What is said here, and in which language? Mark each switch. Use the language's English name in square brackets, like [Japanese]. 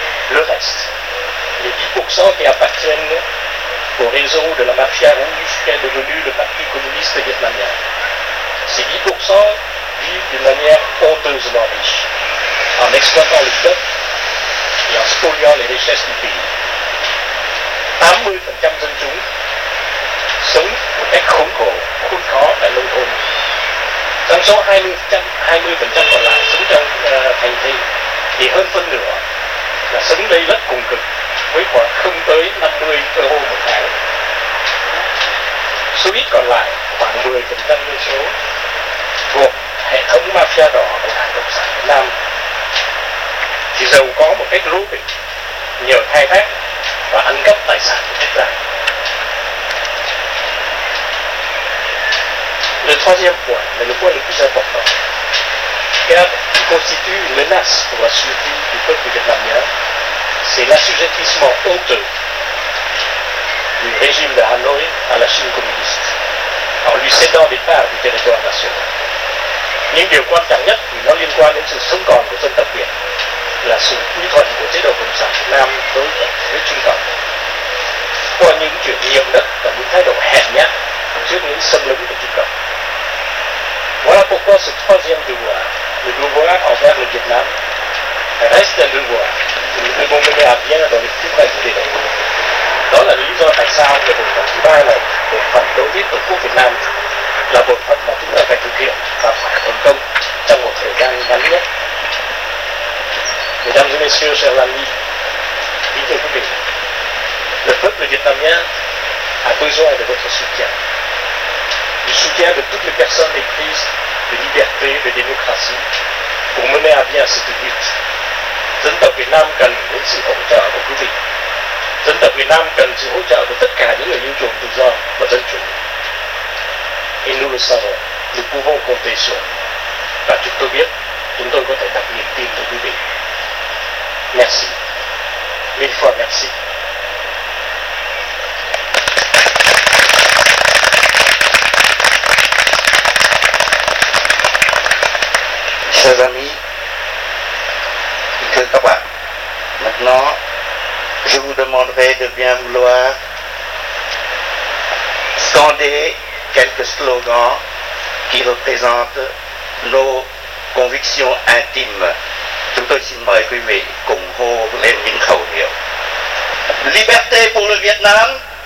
[French] Le reste, les 10% qui appartiennent au réseau de la mafia rouge qui est devenu le Parti communiste vietnamien, ces 10% vivent d'une manière honteusement riche, en exploitant le peuple et en spoliant les richesses du pays. [Vietnamese] 80% dân chúng sống một cách khốn khổ, khốn khó tại nông thôn. Trong số 20% còn lại sống trong thành thị, thì hơn phân nửa là sống đây rất cùng cực, với khoảng không tới 50 euro một tháng. Số ít còn lại, khoảng 10% dân số, thuộc hệ thống mafia đỏ của Đảng Cộng sản Việt Nam, thì giàu có một cách lố bịch, nhờ khai thác và ăn cắp tài sản của quốc gia. [French] Le troisième point, mais le point le plus important, car il constitue une menace pour la survie du peuple vietnamien, c'est l'assujettissement honteux du régime de Hanoï à la Chine communiste, en lui cédant des parts du territoire national. [Vietnamese] Nhưng điều quan trọng nhất thì nó liên quan đến sự sống còn của dân tộc Việt, là sự quy thuận của chế độ Cộng sản Việt Nam đối với Trung Cộng. Qua những chuyện nhượng đất và những thái độ hèn nhát trước những xâm lấn của Trung Cộng. [French] Voilà pourquoi ce troisième devoir, le devoir envers le Vietnam, reste un devoir que nous devons mener à bien dans les plus brefs délais. [Vietnamese] Đó là lý do tại sao cái bộ phận thứ ba này, bộ phận đối với Tổ quốc Việt Nam, là bộ phận mà chúng ta phải thực hiện và phải thành công trong một thời gian ngắn nhất. [French] Mesdames et messieurs, chers amis, [Vietnamese] kính thưa quý vị, [French] le peuple vietnamien a besoin de votre soutien. Du soutien de toutes les personnes éprises de liberté, de démocratie, pour mener à bien cette lutte. [Vietnamese] Dân tộc Việt Nam cần đến sự hỗ trợ của quý vị. Dân tộc Việt Nam cần sự hỗ trợ của tất cả những người yêu chuộng tự do và dân chủ. [French] Et nous le savons, nous pouvons compter sur vous. [Vietnamese] Và chúng tôi biết, chúng tôi có thể đặt niềm tin vào quý vị. [French] Merci. Mille fois merci. Chers amis, que ça va. Maintenant, je vous demanderai de bien vouloir scander quelques slogans qui représentent nos convictions intimes. [Vietnamese] Chúng tôi xin mời quý vị cùng hô lên những khẩu hiệu. [French] Liberté pour le Vietnam.